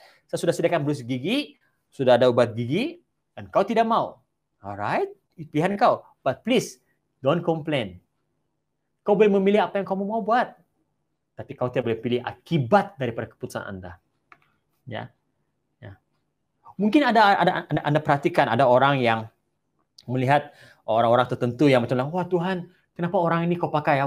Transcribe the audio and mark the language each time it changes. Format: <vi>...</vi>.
<ms>Saya sudah sediakan berus gigi, sudah ada ubat gigi, dan kau tidak mau. Alright. Pilihan kau.</ms> <en>But please, don't complain.</en> <ms>Kau boleh memilih apa yang kamu mau buat. Tapi kau tidak boleh pilih akibat daripada keputusan Anda. Ya. Ya. Mungkin ada perhatikan, ada orang yang melihat orang-orang tertentu yang macam, wah Tuhan, kenapa orang ini kau pakai ya?</ms>